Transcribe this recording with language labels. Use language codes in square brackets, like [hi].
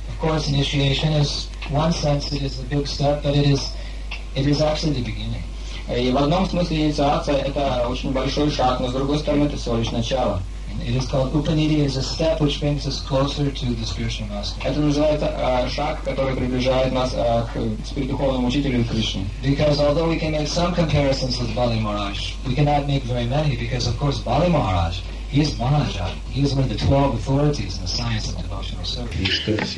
[en] Of course, initiation is, in one sense, it is a big step, but it is actually the beginning. [ru] И в одном смысле инициация – это очень большой шаг, но с другой стороны – это всего лишь начало. [en] It is called Upaniti, is a step which brings us closer to the spiritual master. [ru] Это называется шаг, который приближает нас к духовному учителю Кришне. [en] Because although we can make some comparisons with Bali Maharaj, we cannot make very many, because of course Bali Maharaj, he is Manaja, he is one of the 12 authorities in the science of devotional service.